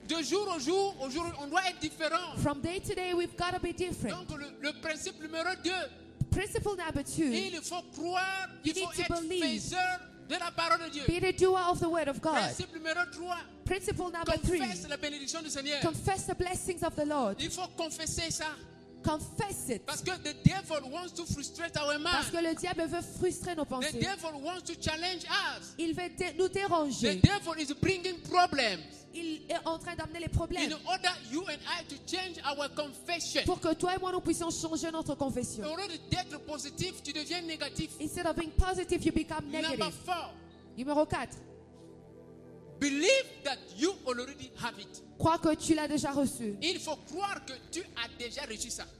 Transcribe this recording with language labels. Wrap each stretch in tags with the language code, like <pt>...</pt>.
<fr>De jour au jour, on doit être différent.</fr> <en>From day to day, we've gotta be different.</en> <fr>Donc, le principe numéro deux.</fr> <en>Principle number two.</en> <fr>Il faut croire, il faut être faiseur de la parole de Dieu.</fr> <en>Be the doer of the word of God.</en> <fr>Principe numéro trois.</fr> <en>Principle number three.</en> <fr>Confesse la bénédiction du Seigneur.</fr> <en>Confess the blessings of the Lord.</en> <fr>Il faut confesser ça.</fr> <en>Confess it.</en> <fr>Parce que</fr> <en>the devil wants to frustrate our mind.</en> <fr>Parce que le diable veut frustrer nos pensées.</fr> <en>The devil wants to challenge us.</en> <fr>Il veut nous déranger.</fr> <en>The devil is bringing problems.</en> <fr>Il est en train d'amener les problèmes.</fr> <en>In order you and I to change our confession.</en> <fr>Pour que toi et moi nous puissions changer notre confession. Au lieu d'être positif, tu deviens négatif.</fr> <en>Instead of being positive, you become negative. Number four.</en> <fr>Numéro 4.</fr> <en>Believe that you already have it.</en> <fr>Crois que tu l'as déjà reçu. Il faut croire que tu as déjà reçu ça.</fr>